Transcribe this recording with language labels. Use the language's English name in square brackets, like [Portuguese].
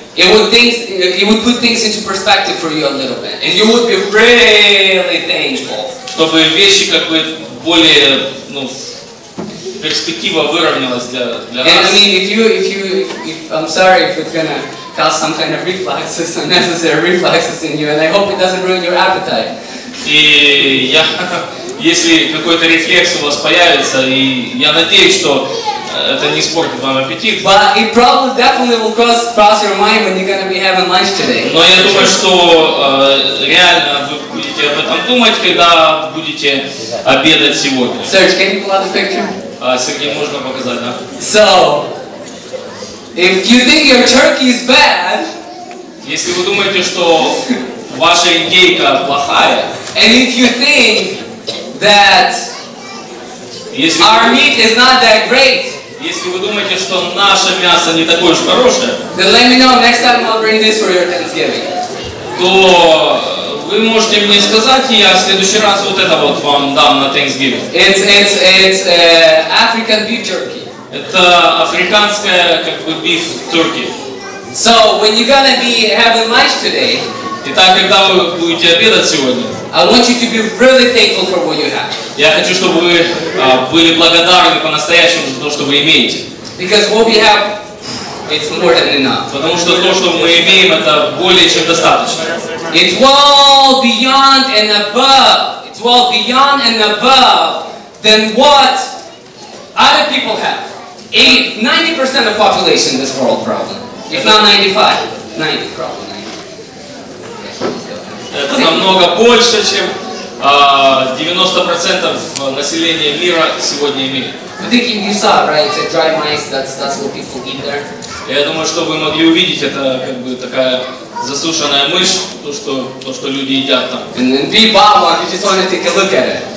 [English] it would put things into perspective for you a little bit. And you would be really thankful. [Russian] Чтобы вещи как бы более, ну, перспектива выровнялась для нас. [English] And I mean, if I'm sorry if it's gonna cause some kind of reflexes, unnecessary reflexes in you, and I hope it doesn't ruin your appetite. [Russian] И я, если какой-то рефлекс у вас появится, и я надеюсь, что это не испортит вам аппетит. [English] But it probably definitely will cross your mind when you're gonna be having lunch today. [Russian] Но я думаю, что реально вы будете об этом думать, когда будете обедать сегодня. [English] Serge, can you pull out the picture? [Russian] Сергей, можно показать, да? [English] So, if you think your turkey is bad, [Russian] если вы думаете, что ваша индейка плохая, [English] and if you think that our meat is not that great, [Russian] если вы думаете, что наше мясо не такое уж хорошее, [English] then let me know, next time I'll bring this for your Thanksgiving. [Russian] То вы можете мне сказать, и я в следующий раз вот это вот вам дам на Thanksgiving. [English] It's African beef turkey. [Russian] Это африканская как бы [English] beef turkey. So when you're gonna be having lunch today, [Russian] итак, когда вы будете обедать сегодня, [English] I want you to be really thankful for what you have. [Russian] Я хочу, чтобы вы были благодарны по-настоящему за то, что вы имеете. [English] Because what we have, it's more than enough. [Russian] Потому что то, что мы имеем, это более чем достаточно. [English] It's well beyond and above. It's well beyond and above than what other people have. 90% of the population in this world problem. If not 95. 90 problem. 90. Okay, let's go. [Russian] Это намного больше, чем 90% населения мира сегодня имеет. [English] I think you saw it, right? It's a dry mice. That's what people eat there. [Russian] Я думаю, что вы могли увидеть, это как бы такая засушенная мышь, то, что люди едят там. [English] And then big bad one, you just want to take a look at it.